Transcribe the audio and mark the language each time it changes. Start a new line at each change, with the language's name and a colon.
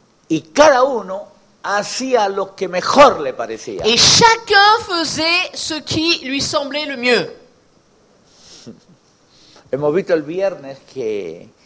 Spanish: Y cada uno hacía lo que mejor le parecía.
French: Et chacun faisait ce qui lui semblait le mieux.
Spanish: Hemos visto el viernes que.